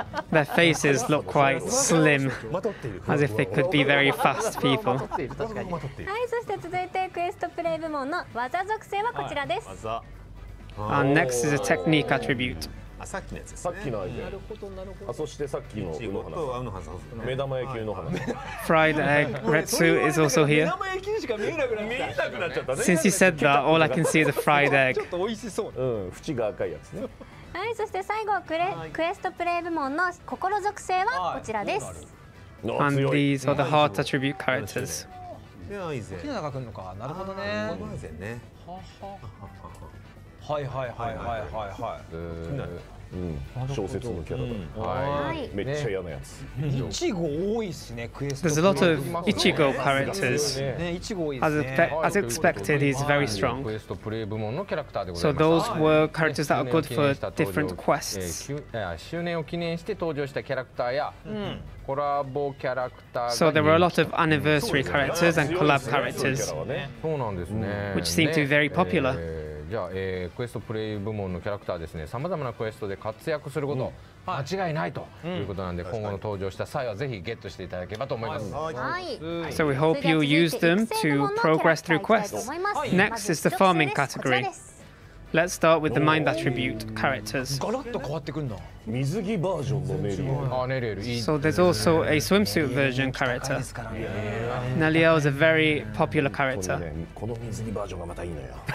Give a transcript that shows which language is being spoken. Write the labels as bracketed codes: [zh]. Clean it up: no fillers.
[en] Their faces look quite slim, as if they could be very fast people. [ja] はい、そして続いてクエストプレイ部門の技属性はこちらです。技。 [en] And next is a technique attribute. [ja] あ、さっきのやつですね。さっきのアイデア。なるほどなるほど。あ、そしてさっきのウノハナ。ウノハナ。目玉焼きウノハナ。 [en] Fried egg retsu is also here. [ja] 目玉焼きしか見えなくなっちゃったね。 [en] Since you said that, all I can see is a fried egg. [ja] ちょっと美味しそう。うん、縁が赤いやつね。はい、そして最後クエストプレイ部門の心属性はこちらです。 [en] And these are the heart attribute characters. [ja] いや、いいぜ。キナが来るのか。なるほどね。いいぜね。はいはいはいはいはいはい。小説のキャラだ。はい。めっちゃ嫌なやつ。イチゴ多いですね、クエスト。 [en] There's a lot of Ichigo characters. As expected, he's very strong. [ja] クエストプレイ部門のキャラクターでございます。 [en] So those were characters that are good for different quests. [ja] 周年を記念して登場したキャラクターやコラボキャラクターが。 [en] So there were a lot of anniversary characters and collab characters. [ja] そうなんですね。 [en] Which seemed to be very popular. [ja] じゃあ、クエストプレイ部門のキャラクターですね、さまざまなクエストで活躍すること、うん、間違いないということなんで、うん、今後の登場した際はぜひゲットしていただければと思います。はい。 [en] So we hope you use them to progress through quests. Next is the farming category. Let's start with the mind attribute characters. [ja] ガラッと変わってくるんだ。水着バージョンのネリエル。ネリエル。 [en] So there's also a swimsuit version character. Nelio is a very popular character. [ja] この水着バージョンがまたいいのよ。